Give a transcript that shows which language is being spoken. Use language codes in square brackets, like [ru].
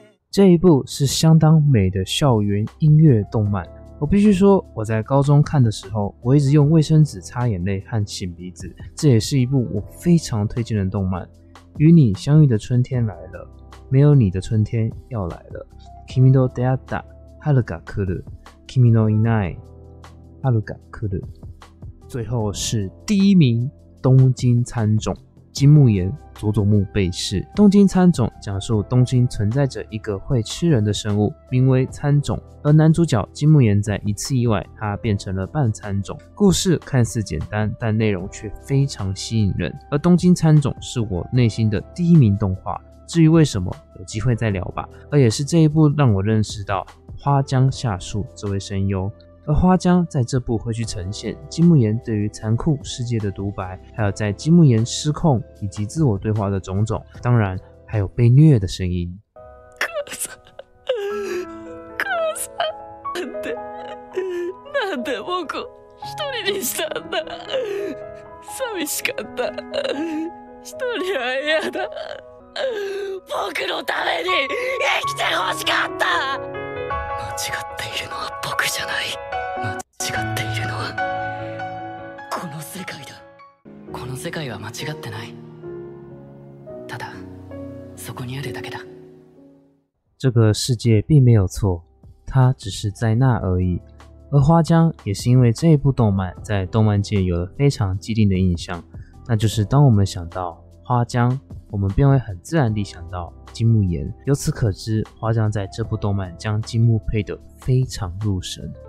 [zh] 这一部是相当美的校园音乐动漫。我必须说，我在高中看的时候，我一直用卫生纸擦眼泪和擤鼻子。这也是一部我非常推荐的动漫。与你相遇的春天来了，没有你的春天要来了。 [ja] 君と出会った春が来る。君のいない春が来る。 [zh] 最后是第1名，东京参众。 [ja] G [zh] 金木研、佐佐木被试。东京餐种讲述东京存在着一个会吃人的生物，名为餐种，而男主角金木研在一次意外，他变成了半餐种。故事看似简单，但内容却非常吸引人。而东京餐种是我内心的第一名动画，至于为什么，有机会再聊吧。而也是这一部让我认识到花江夏树这位声优。而花江在这部会去呈现金木研对于残酷世界的独白，还有在金木研失控以及自我对话的种种，当然还有被虐的声音。 [ja] 母さん、母さん、なんで僕一人にしたんだ。寂しかった。一人は嫌だ。僕のために生きて欲しかった。間違っているのは僕じゃない。間違っているのはこの世界だ。この世界は間違ってない。ただそこにあるだけだ。 [zh] 这个世界并没有错，它只是在那而已。而花江也是因为这一部动漫，在动漫界有了非常既定的印象，那就是当我们想到花江，我们便会很自然地想到金木研。由此可知，花江在这部动漫将金木配得非常入神。